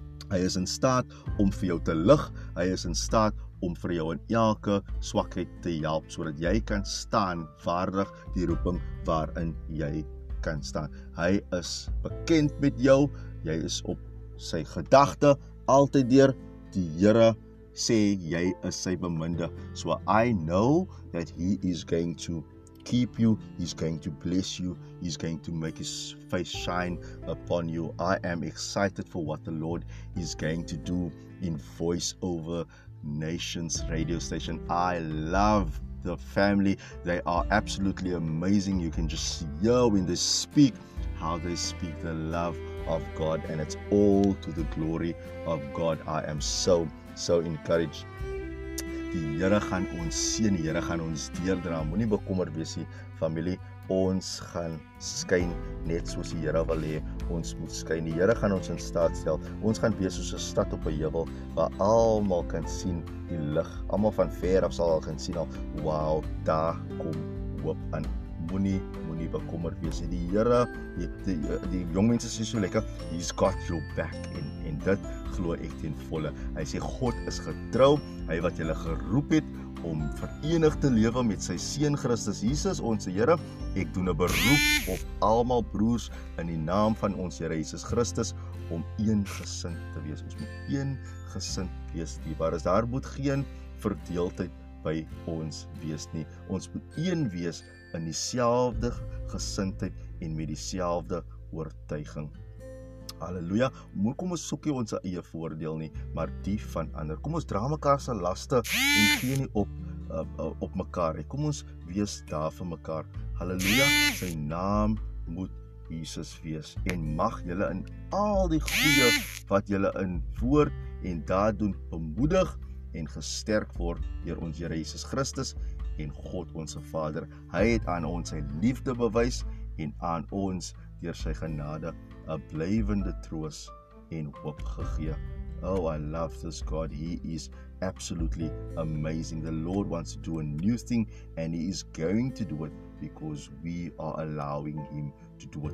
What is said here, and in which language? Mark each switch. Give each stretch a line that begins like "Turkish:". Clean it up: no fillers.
Afrikaans: Hy is in staat om vir jou te lig. Hy is in staat om vir jou in elke swakheid te help, sodat jy kan staan vaardig die roeping waarin jy kan staan. Hy is bekend met jou. Jy is op sy gedagte altyd deur. Die Here sê jy is sy beminde.
English: So I know that he is going to keep you, he's going to bless you, he's going to make his face shine upon you. I am excited for what the Lord is going to do in Voice Over Nations radio station. I love the family. They are absolutely amazing. You can just hear when they speak, how they speak the love of God, and it's all to the glory of God. I am so encouraged.
Afrikaans: Die Here gaan ons seën, die Here gaan ons deurdra. Moenie bekommerd wees nie, familie. Ons gaan skyn net soos die Here wil hê ons moet skyn. Die Here gaan ons in staat stel. Ons gaan wees soos 'n stad op 'n heuwel waar almal kan sien die lig. Almal van ver af sal al kan sien al, wow, daar kom hoop aan. Moenie bekommerd wees nie. Die Here, die jong mense sê so lekker,
English: he's got your back,
Afrikaans: en dit glo ek ten volle. Hy sê God is getrou, hy wat julle geroep het om verenigd te lewe met sy seun Christus Jesus ons Here. Ek doen 'n beroep op almal broers in die naam van ons Here Jesus Christus om een gesind te wees. Ons moet een gesind wees. Die waar is daar moet geen verdeeldheid by ons wees nie. Ons moet een wees in dieselfde gesindheid en met dieselfde oortuiging. Halleluja. Moet kom ons soekie ons eie voordeel nie, maar die van ander. Kom ons dra mekaar se laste en gee nie op mekaar. Kom ons wees daar vir mekaar. Halleluja. Sy naam moet Jesus wees. En mag julle in al die goeie wat julle in woord en daad doen bemoedig en gesterk word deur ons Here Jesus Christus en God ons Vader. Hy het aan ons sy liefde bewys en aan ons deur sy genade 'n blywende troos en hoop gegee.
English: Oh, I love this God. He is absolutely amazing. The Lord wants to do a new thing and he is going to do it because we are allowing him to do it.